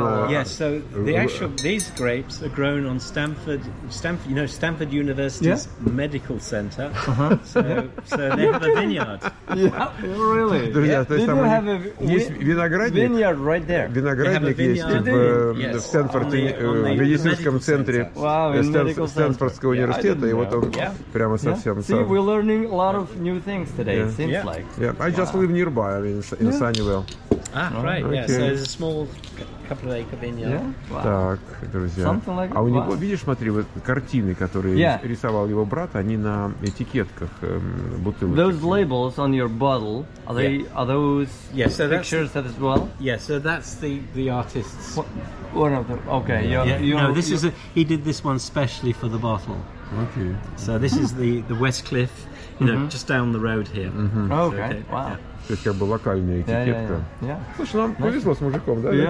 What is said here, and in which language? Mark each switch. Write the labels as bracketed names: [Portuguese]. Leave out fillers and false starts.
[English] Yes, so the actual, these grapes are grown on Stanford University's medical center. Uh-huh. So they have a vineyard. Really? Yeah. Did you have a vineyard right there? [Russian] Виноградник есть в Стэнфорде, в медицинском центре Стэнфордского университета, и вот он прямо совсем сам. [English] See, we're learning a lot of new things today, it seems like. Yeah, I just live near by, I mean, in Sunnyvale. Ah, right, okay. Yeah, so there's a small couple of acre vineyard. Yeah? [Russian] Wow. Так, друзья. [English] Something like [Russian] а у него, видишь, смотри, вот картины, которые рисовал его брат, они на этикетках бутылочек. [English] Those labels on your bottle, are they are those so pictures the, as well? Yeah, so that's the artist's. One of them, okay. He did this one specially for the bottle. Okay. So this is the Westcliff, just down the road here. Mm-hmm. Okay, so, okay. Wow. Yeah. [Russian] То есть как бы локальная этикетка. Слушай, нам повезло с мужиком, да?